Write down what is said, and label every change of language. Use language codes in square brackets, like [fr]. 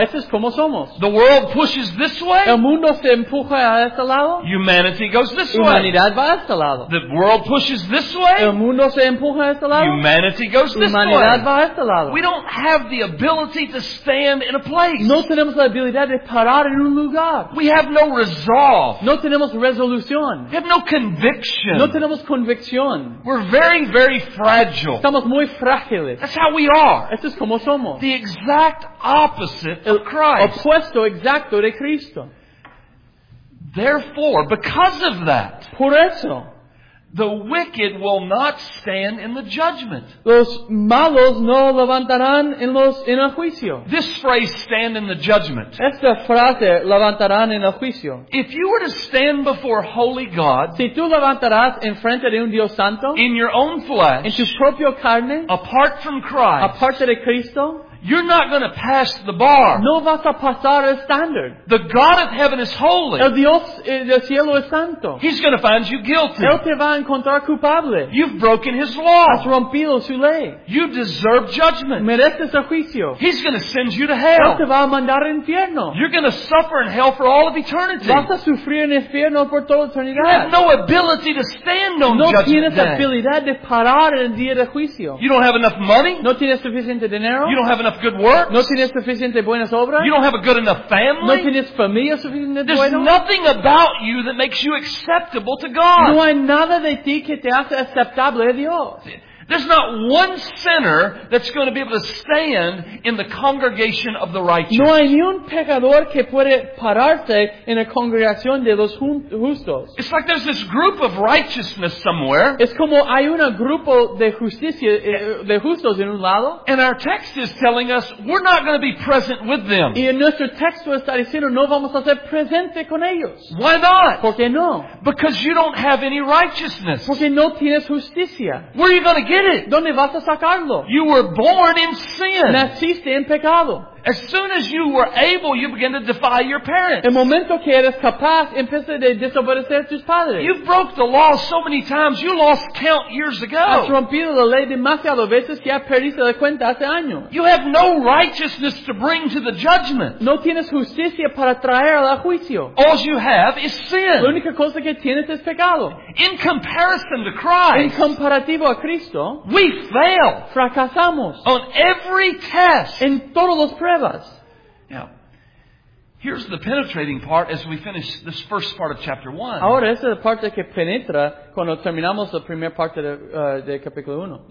[es] Eso es como somos. [en] The world pushes this way. [es] El mundo se empuja a este lado. [en] Humanity goes this way. [es] Humanidad va a este lado. [en] The world pushes this way. [es] El mundo se empuja a este lado. [en] Humanity goes this way. [es] Humanidad va a este lado. [en] We don't have the ability to stand in a place. [es] No tenemos la habilidad de parar en un lugar. [en] We have no resolve. [es] No tenemos resolución. [en] We have no conviction. [es] No tenemos convicción. [en] We're very, very fragile. [es] Estamos muy frágiles. [en] That's how we are. [es] Eso es como somos. [en] The exact opposite of Christ. [es] Opuesto exacto de Cristo. [en] Therefore, because of that, [es] por eso, [en] the wicked will not stand in the judgment. [es] Los malos no levantarán en el juicio. [en] This phrase, stand in the judgment. [es] Esta frase, levantarán en el juicio. [en] If you were to stand before holy God, [es] si tú levantarás en frente de un Dios santo, [en] in your own flesh, [es] en tu propio carne, [en] apart from Christ, [es] aparte de Cristo, [en] You're not going to pass the bar. [es] No vas a pasar el standard. [en] The God of heaven is holy. [es] El Dios del cielo es santo. [en] He's going to find you guilty. [es] Él te va a encontrar culpable. [en] You've broken his law. [es] Has rompido su ley. [en] You deserve judgment. [es] Mereces el juicio. [en] He's going to send you to hell. [es] Él te va a mandar al infierno. [en] You're going to suffer in hell for all of eternity. [es] Vas a sufrir en el infierno por toda eternidad. [en] You have no ability to stand on [es] no [en] judgment. day. [es] Habilidad de parar en el día de juicio. [en] You don't have enough money. [es] No tienes suficiente dinero. [en] You don't have enough good work. [es] No tienes suficiente buenas obras. [en] You don't have a good enough family. [es] No tienes familia suficiente buena. [en] There's nothing about you that makes you acceptable to God. [es] No hay nada de ti que te hace aceptable a Dios. [en] There's not one sinner that's going to be able to stand in the congregation of the righteous. [es] No hay ni un pecador que puede pararse en la congregación de los justos. [en] It's like there's this group of righteousness somewhere. [es] Es como hay un grupo de justicia de justos en un lado. [en] And our text is telling us we're not going to be present with them. [es] Y en nuestro texto está diciendo no vamos a ser presente con ellos. [en] Why not? [es] ¿Por qué no? [en] Because you don't have any righteousness. [es] Porque no tienes justicia. [en] Where are you going to get it? [es] ¿Dónde vas a sacarlo? [en] You were born in sin. [es] Naciste en pecado. [en] As soon as you were able, you began to defy your parents. [es] El momento que eres capaz, empiezas a desobedecer a tus padres. [en] You broke the law so many times, you lost count years ago. [es] Has rompido la ley demasiado veces que ya perdiste la cuenta hace años. [en] You have no righteousness to bring to the judgment. [es] No tienes justicia para traer al juicio. [en] All you have is sin. [es] La única cosa que tienes es pecado. [en] In comparison to Christ, [es] en comparativo a Cristo, [en] we fail. [es] Fracasamos. [en] On every test, [es] en todos los. [en] Now, here's the penetrating part as we finish this first part of chapter 1. [es] Ahora esa es la parte que penetra cuando terminamos la primera parte de capítulo 1.